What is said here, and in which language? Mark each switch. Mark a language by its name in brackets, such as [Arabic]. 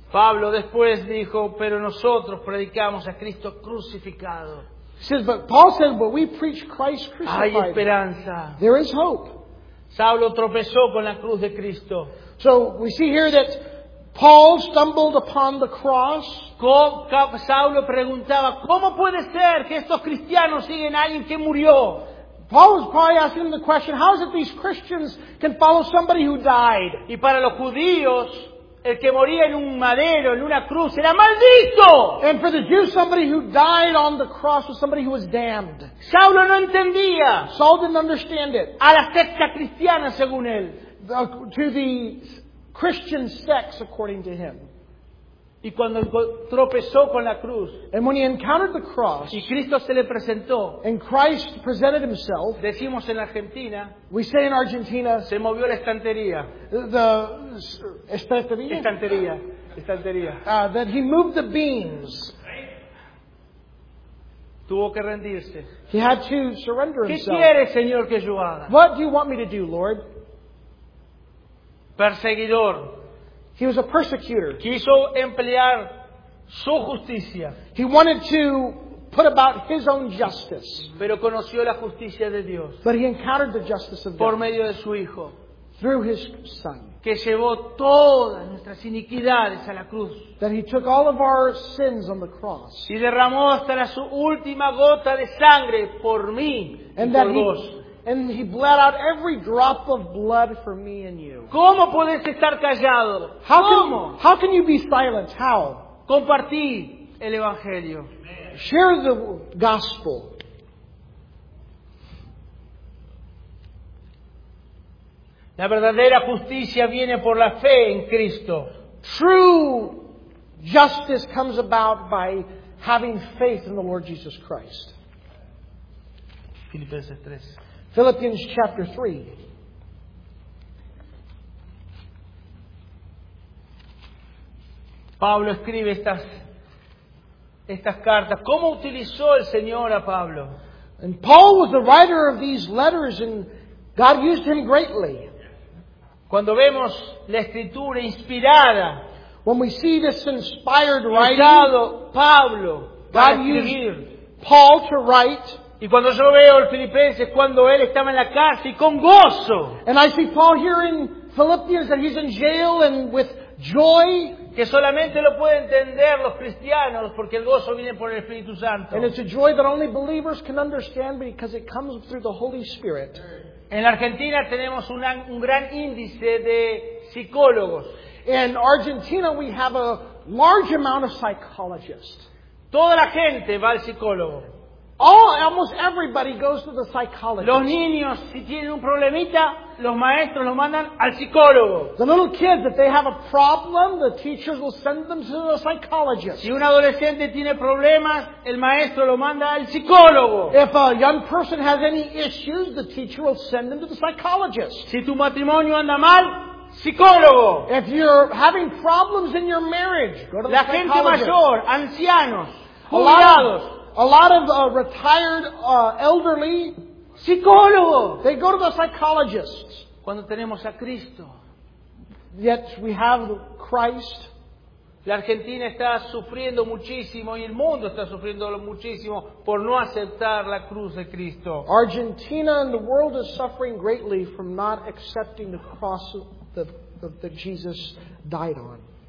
[Spanish] Pablo después dijo, pero nosotros predicamos a Cristo crucificado. [English] He says, but Paul said, but we preach Christ crucified. [Spanish] Hay esperanza. [English] There is hope. [Spanish] Saulo tropezó con la cruz de Cristo. [English] So we see here that Paul stumbled upon the cross. [Spanish] Saulo preguntaba, ¿cómo puede ser que estos cristianos siguen a alguien que murió? [English] Paul was probably asking him the question, how is it these Christians can follow somebody who died? [Spanish] Y para los judíos, el que moría en un madero, en una cruz, era maldito. [English] And for the Jews, somebody who died on the cross was somebody who was damned. [Spanish] Saulo no entendía. [English] Saul didn't understand it. [Spanish] A la secta cristiana, según él. [English] To the Christian sects, according to him. [Spanish] Y cuando tropezó con la cruz, [English] and when he encountered the cross, [Spanish] y Cristo se le presentó, [English] and Christ presented himself, [Spanish] decimos en Argentina, [English] we say in Argentina, [Spanish] se movió la estantería. [English] The estantería? [Spanish] Estantería. Estantería. [English] That he moved the beams. [Spanish] Tuvo que rendirse. [English] He had to surrender himself. [Spanish] ¿Qué quiere, Señor, que yo haga? [English] What do you want me to do, Lord? [Spanish] Perseguidor. [English] He was a persecutor. [Spanish] Quiso emplear su justicia. [English] He wanted to put about his own justice. [Spanish] Pero conoció la justicia de Dios. [English] But he encountered the justice of [Spanish] por [English] God. [Spanish] Medio de su hijo. [English] Through his son. [Spanish] Que llevó todas nuestras iniquidades a la cruz. [English] That he took all of our sins on the cross. [Spanish] Y derramó hasta la su última gota de sangre por mí [English] and [Spanish] y por vos. [English] And he bled out every drop of blood for me and you. [Spanish] ¿Cómo puedes estar callado? [English] How can you be silent? How? [Spanish] Compartí el evangelio. [English] Share the gospel. [Spanish] La verdadera justicia viene por la fe en Cristo. [English] True justice comes about by having faith in the Lord Jesus Christ. [Spanish] Filipenses 3. [English] Philippians chapter 3. [Spanish] Pablo escribe estas cartas. ¿Cómo utilizó el Señor a Pablo? [English] And Paul was the writer of these letters and God used him greatly. [Spanish] Cuando vemos la escritura inspirada, [English] when we see this inspired writing, [Spanish] Pablo, [English] God used Paul to write. [Spanish] Y cuando yo veo el Filipenses, cuando él estaba en la cárcel y con gozo. [English] And I see Paul here in Philippians that he's in jail and with joy. [Spanish] Que solamente lo pueden entender los cristianos porque el gozo viene por el Espíritu Santo. [English] And it's a joy that only believers can understand because it comes through the Holy Spirit. [Spanish] En la Argentina tenemos un gran índice de psicólogos. [English] In Argentina we have a large amount of psychologists. [Spanish] Toda la gente va al psicólogo. [English] Almost everybody goes to the psychologist. [Spanish] Los niños, si tienen un problemita, los maestros los mandan al psicólogo. [English] The little kids, if they have a problem, the teachers will send them to the psychologist. [Spanish] Si un adolescente tiene problemas, el maestro lo manda al psicólogo. [English] If a young person has any issues, the teacher will send them to the psychologist. [Spanish] Si tu matrimonio anda mal, psicólogo. [English] If you're having problems in your marriage, go to [Spanish] la [English] the psychologist. [Spanish] La gente mayor, ancianos, jubilados. [English] A lot of retired elderly [Spanish] psicólogo. [English] They go to the psychologist. [Spanish] Cuando tenemos a Cristo. [English] Yet we have Christ. [Spanish] La Argentina está sufriendo muchísimo y el mundo está sufriendo muchísimo por no aceptar la cruz de Cristo. [English] Argentina and the world is suffering greatly from not accepting the cross that Jesus died on.